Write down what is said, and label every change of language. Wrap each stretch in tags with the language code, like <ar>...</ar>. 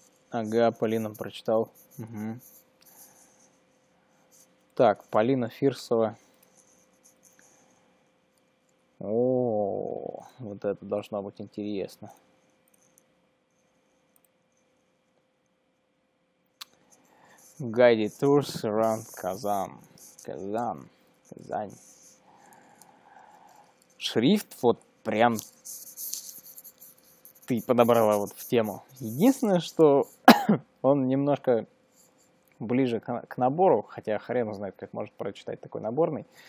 <ru>Ага, Полина прочитал. Угу. Так, Полина Фирсова. О, вот это должно быть интересно.</ru> <en>Guided tours around Kazan. Kazan. Kazan.</en> <ru>Шрифт вот прям ты подобрала вот в тему. Единственное, что он немножко ближе к набору, хотя хрен знает, как может прочитать такой наборный.</ru>